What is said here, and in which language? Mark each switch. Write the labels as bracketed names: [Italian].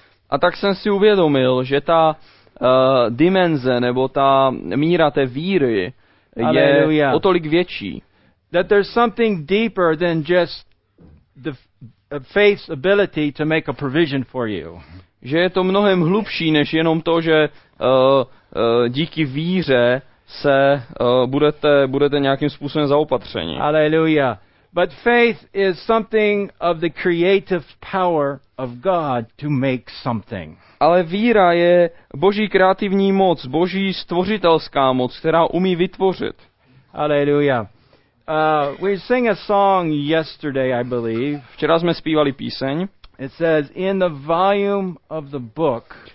[Czech] A tak jsem si uvědomil, že ta dimenze nebo ta míra té víry je o tolik větší. [English] That there's something deeper than just the faith's ability to make a provision for you. [Czech] Že je to mnohem hlubší než jenom to, že díky víře se budete nějakým způsobem zaopatření. Aleluja. [English] But faith is something of the creative power of God to make something. [Czech] Ale víra je boží kreativní moc, boží stvořitelská moc, která umí vytvořit. [English] Aleluja. We sang a song yesterday, I believe. [Czech] Včera jsme zpívali píseň. [English] It says, in the volume of the book,